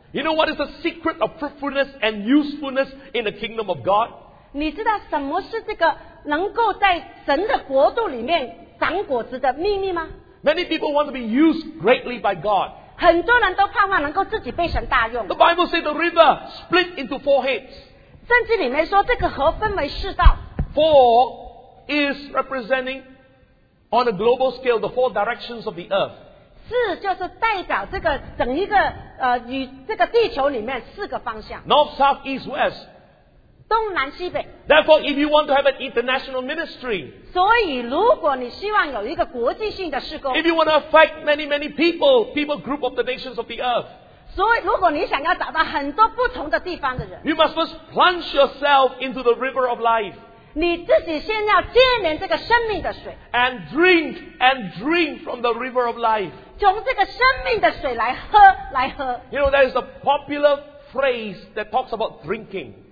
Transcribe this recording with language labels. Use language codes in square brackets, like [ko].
[en] You know what is the secret of fruitfulness and usefulness in the kingdom of God? [zh] 你知道什么是这个能够在神的国度里面长果子的秘密吗? [en] Many people want to be used greatly by God. [zh] 很多人都盼望能够自己被神大用。 [en] The Bible says the river split into four heads. [zh] 圣经里面说这个河分为四道。 [en] Four is representing on a global scale the four directions of the earth. [zh] 四就是代表这个整一个这个地球里面四个方向。 [en] North, South, East, West. [zh] 东南西北。 [en] Therefore, if you want to have an international ministry, [zh] 所以如果你希望有一个国际性的事工, [en] if you want to affect many people group of the nations of the earth, [zh] 所以如果你想要找到很多不同的地方的人, [en] you must first plunge yourself into the river of life. And drink and drink from the river of life. You know, there is a popular phrase that talks about drinking.